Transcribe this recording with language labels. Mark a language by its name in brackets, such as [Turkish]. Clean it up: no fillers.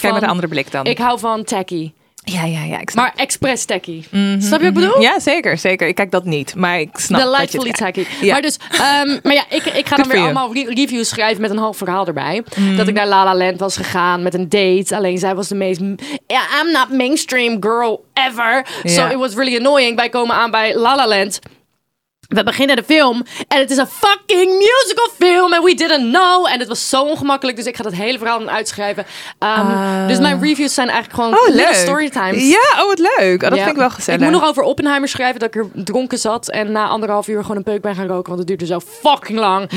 [Dutch] Kijk met een andere blik dan. Ik hou van tacky. Ja, ik snap. Maar express tacky. Mm-hmm, snap je wat ik bedoel? Ja, zeker. Ik kijk dat niet, maar ik snap [English] delightfully [Dutch] dat je het kijkt. Tacky. Ja. Maar dus, ik ga dan weer allemaal reviews schrijven met een half verhaal erbij. Mm. Dat ik naar La La Land was gegaan met een date. Alleen zij was de meest... [English] I'm not mainstream girl ever. So yeah. It was really annoying. [Dutch] Wij komen aan bij La La Land. We beginnen de film en het is een fucking musical film en [English] we didn't know. [Dutch] En het was zo ongemakkelijk, dus ik ga dat hele verhaal dan uitschrijven. Dus mijn reviews zijn eigenlijk gewoon [English] little storytimes. [Dutch] Ja, wat leuk. Oh, dat vind ik wel gezellig. Ik moet nog over Oppenheimer schrijven, dat ik er dronken zat en na anderhalf uur gewoon een peuk ben gaan roken, want het duurde zo fucking lang.